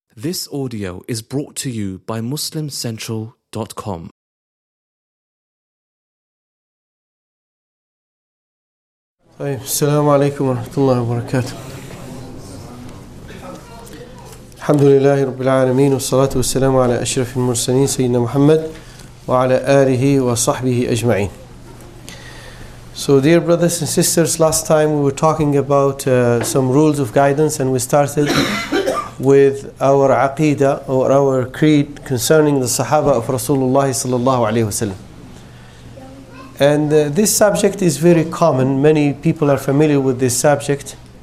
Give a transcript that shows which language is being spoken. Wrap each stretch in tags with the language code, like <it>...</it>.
<en>This audio is brought to you by MuslimCentral.com.</en> <ar>طيب السلام عليكم ورحمة الله وبركاته. الحمد لله رب العالمين والصلاة والسلام على أشرف المرسلين سيدنا محمد وعلى آله وصحبه أجمعين.</ar> <en>So dear brothers and sisters, last time we were talking about some rules of guidance and we started with our aqidah or our creed concerning the Sahaba of Rasulullah sallallahu alayhi wasallam. And this subject is very common. Many people are familiar with this subject.</en>